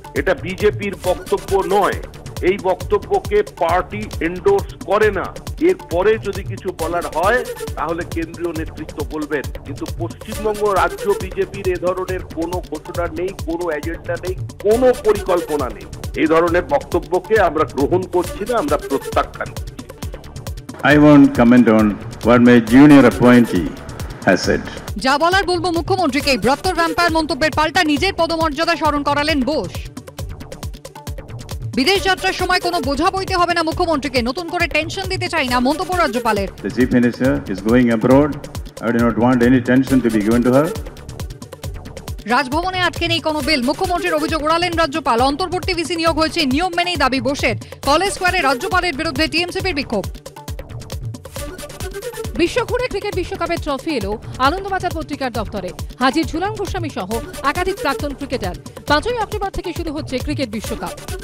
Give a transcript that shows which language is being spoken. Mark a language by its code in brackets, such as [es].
[bn] এটা বিজেপির বক্তব্য নয়, এই বক্তব্যকে পার্টি এন্ডোর্স করে না। এরপরে যদি কিছু বলার হয় তাহলে কেন্দ্রীয় নেতৃত্ব বলবেন, কিন্তু পশ্চিমবঙ্গ রাজ্য বিজেপির এ ধরনের কোনো ঘোষণা নেই, কোনো এজেন্ডা নেই, কোনো পরিকল্পনা নেই। এই ধরনের বক্তব্যকে আমরা গ্রহণ করছি না, আমরা প্রত্যাখ্যান করছি। [en] I won't comment on what my junior appointee has said. [bn] যা বলার বলবো মুখ্যমন্ত্রীকে, ব্রত্তর রামপার মন্তব্যের পাল্টা নিজের পদমর্যাদা স্মরণ করালেন বোস। বিদেশ যাত্রার সময় কোনো বোঝা বইতে হবে না মুখ্যমন্ত্রীকে, নতুন করে টেনশন দিতে চাই না মন্তব্য রাজ্যপালের। [en] The chief minister is going abroad. I do not want any tension to be given to her. [bn] রাজভবনে আটকে নেই কোনো বিল, মুখ্যমন্ত্রীর অভিযোগ উড়ালেন রাজ্যপাল। অন্তর্বর্তী ভিসি নিয়োগ হয়েছে নিয়ম মেনেই দাবি বোসের। কলেজ স্কোয়ারে রাজ্যপালের বিরুদ্ধে টিএমসিপির বিক্ষোভ। বিশ্বঘুরে ক্রিকেট বিশ্বকাপের ট্রফি এলো আনন্দবাজার পত্রিকার দপ্তরে। হাজির ঝুলন গোস্বামী সহ একাধিক প্রাক্তন ক্রিকেটার। 5ই অক্টোবর থেকে শুরু হচ্ছে ক্রিকেট বিশ্বকাপ।